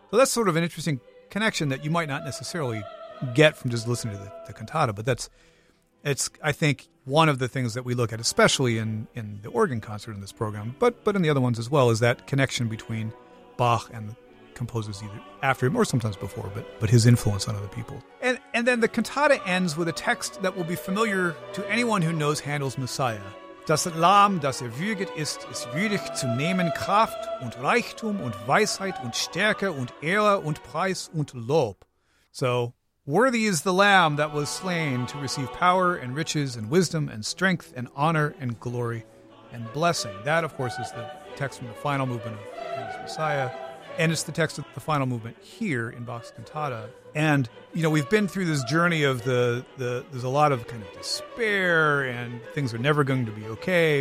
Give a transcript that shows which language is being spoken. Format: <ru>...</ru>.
<en>So that's sort of an interesting connection that you might not necessarily get from just listening to the cantata, but it's, I think, one of the things that we look at, especially in the organ concert in this program, but in the other ones as well, is that connection between Bach and the composers either after him or sometimes before, but his influence on other people. And then the cantata ends with a text that will be familiar to anyone who knows Handel's Messiah.</en> <de>Das Lamm, das erwürget ist, ist würdig zu nehmen Kraft und Reichtum und Weisheit und Stärke und Ehre und Preis und Lob.</de> <en>So, worthy is the Lamb that was slain to receive power and riches and wisdom and strength and honor and glory and blessing. That, of course, is the text from the final movement of Handel's Messiah. And it's the text of the final movement here in Bach's cantata. And, you know, we've been through this journey of the there's a lot of kind of despair and things are never going to be okay.</en>